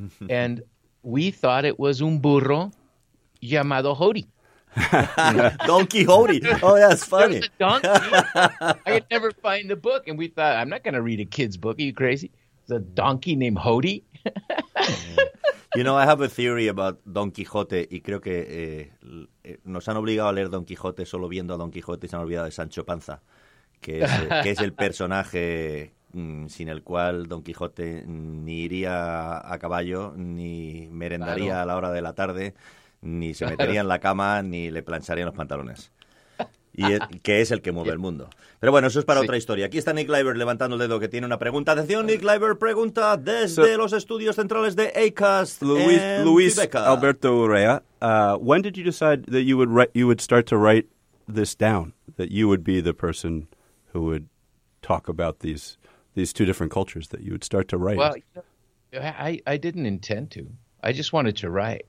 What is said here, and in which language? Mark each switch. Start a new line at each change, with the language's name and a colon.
English: And we thought it was
Spanish: un burro llamado
English: Jody. Don Quixote. Oh, that's funny. There was a donkey. I could never find the book. And we thought, I'm not going to read a kid's book. Are you crazy? There's a donkey named Jody. You know, I have a theory about Don Quixote.
Spanish: Y creo que nos han obligado a leer Don Quixote solo viendo a Don Quixote y se han olvidado de Sancho Panza, que es el personaje sin el cual Don Quijote ni iría a caballo, ni merendaría a la hora de la tarde, ni se metería en la cama, ni le plancharían los pantalones. Y que es el que mueve el mundo. Pero bueno, eso es para otra historia. Aquí está Nick Leiber levantando el dedo, que tiene una pregunta. Atención, Nick Leiber pregunta desde los estudios centrales de Acast.
English: Luis Alberto Urrea, when did you decide that you would start to write this down, that you would be the person who would talk about these two different cultures that you would start to write? Well, I didn't intend to. I just wanted to write.